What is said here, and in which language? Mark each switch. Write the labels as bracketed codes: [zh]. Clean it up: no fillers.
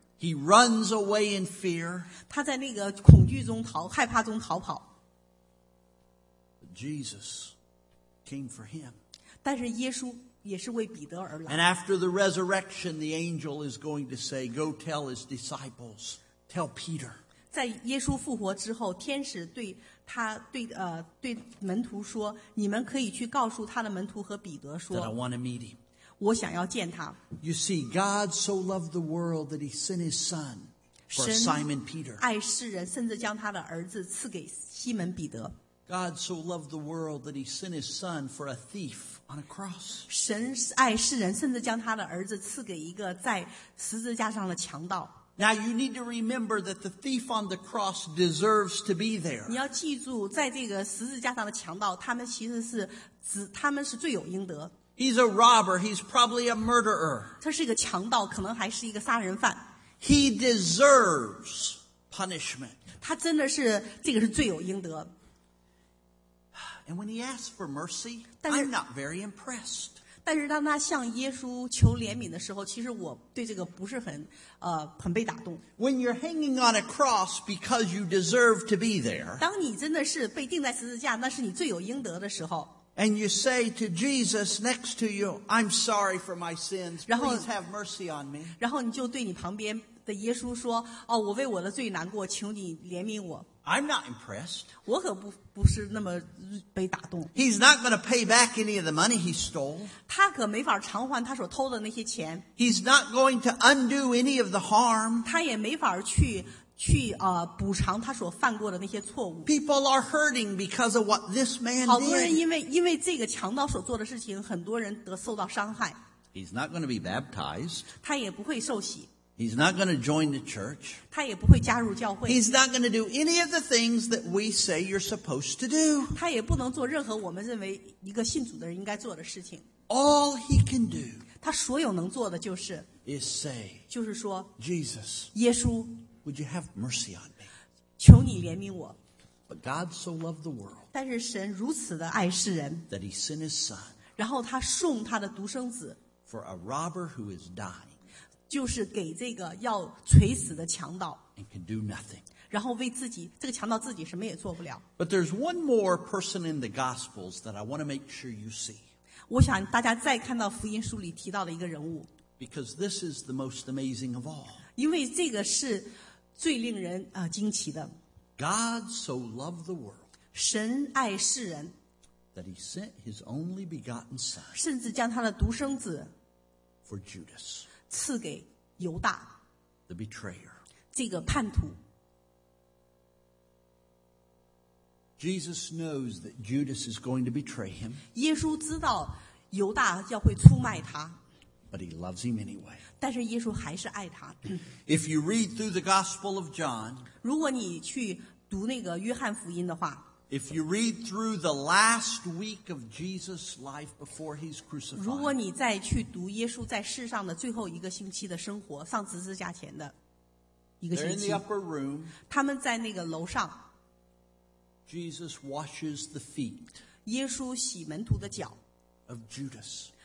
[en] He runs away in fear. [zh] 她在那个恐惧中逃，害怕中逃跑。 [en] But Jesus came for him. [zh] 但是耶稣也是为彼得而来。 [en] And after the resurrection, the angel is going to say, go tell his disciples, tell Peter. [zh] 在耶稣复活之后，天使对他对门徒说，你们可以去告诉他的门徒和彼得说， [en] that I want to meet him. [zh] 我想要见他。 [en] You see, God so loved the world that he sent his son for Simon Peter. [zh] 爱世人，甚至将他的儿子赐给西门彼得。 [en] God so loved the world that he sent his son for a thief on a cross. [zh] 神爱世人，甚至将他的儿子赐给一个在十字架上的强盗。 [en] Now you need to remember that the thief on the cross deserves to be there. [zh] 你要记住，在这个十字架上的强盗，他们其实是指他们是罪有应得。 [en] He's a robber. He's probably a murderer. [zh] 他是一个强盗，可能还是一个杀人犯。 [en] He deserves punishment. [zh] 他真的是这个是罪有应得。 [en] And when he asks for mercy, I'm not very impressed. [zh] 但是当他向耶稣求怜悯的时候，其实我对这个不是很被打动。 [en] When you're hanging on a cross because you deserve to be there, [zh] 当你真的是被钉在十字架，那是你罪有应得的时候。 [en] And you say to Jesus next to you, I'm sorry for my sins. Please have mercy on me. [zh] 然后你就对你旁边的耶稣说，哦，我为我的罪难过，求你怜悯我。 [en] I'm not impressed. [zh] 我可不是那么被打动。 [en] He's not going to pay back any of the money he stole. [zh] 他可没法偿还他所偷的那些钱。 [en] He's not going to undo any of the harm. [zh] 他也没法去补偿他所犯过的那些错误。 [en] People are hurting because of what this man did. [zh] 好多人因为这个强盗所做的事情，很多人受到伤害。 [en] He's not going to be baptized. [zh] 他也不会受洗。 [en] He's not going to join the church. [zh] 他也不会加入教会。 [en] He's not going to do any of the things that we say you're supposed to do. [zh] 他也不能做任何我们认为一个信主的人应该做的事情。 [en] All he can do. [zh] 他所有能做的就是。 [en] Is say. [zh] 就是说。 [en] Jesus. [zh] 耶稣。 [en] Would you have mercy on me? [zh] 求你怜悯我。 [en] But God so loved the world. [zh] 但是神如此的爱世人。 [en] That he sent his son. [zh] 然后他送他的独生子。 [en] For a robber who is dying. [zh] 就是给这个要垂死的强盗 [en] and can do nothing. [zh] 然后为自己这个强盗自己什么也做不了。 [en] But there's one more person in the Gospels that I want to make sure you see. [zh] 我想大家再看到福音书里提到的一个人物。 [en] Because this is the most amazing of all. [zh] 因为这个是最令人惊奇的。 [en] God so loved the world. [zh] 神爱世人。 [en] That he sent his only begotten son. [zh] 甚至将他的独生子。 [en] For Judas. [zh] 赐给犹大 [en] the betrayer. [zh] 这个叛徒 [en] Jesus knows that Judas is going to betray him. [zh] 耶稣知道犹大要会出卖他 [en] But he loves him anyway. [zh] 但是耶稣还是爱他 [en] If you read through the Gospel of John, [zh] 如果你去读那个约翰福音的话 [en] If you read through the last week of Jesus' life before he's crucified, [zh] 如果你再去读耶稣在世上的最后一个星期的生活，上十字架前的一个星期。 [en] They're in the upper room. [zh] 他们在那个楼上。 [en] Jesus washes the feet. [zh] 耶稣洗门徒的脚。 [en] of Judas.